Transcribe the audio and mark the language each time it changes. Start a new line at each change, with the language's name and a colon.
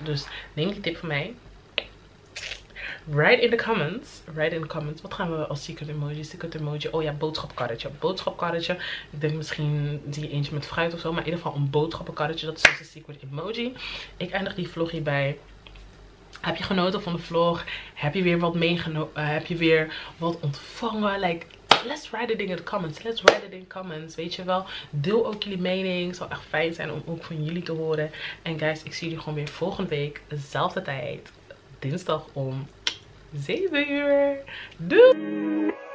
Dutch: Dus neem die tip van mij.
English: Write in the comments.
Dutch: Wat gaan we als secret emoji? Oh ja, boodschapkarretje. Ik denk misschien zie je eentje met fruit of zo. Maar in ieder geval een boodschappenkarretje. Dat is dus een secret emoji. Ik eindig die vlog hierbij. Heb je genoten van de vlog? Heb je weer wat meegenomen? Heb je weer wat ontvangen?
English: Like, let's write it in the comments.
Dutch: Weet je wel. Deel ook jullie mening. Het zou echt fijn zijn om ook van jullie te horen. En guys, ik zie jullie gewoon weer volgende week. Dezelfde tijd. Dinsdag om 7 uur. Doei!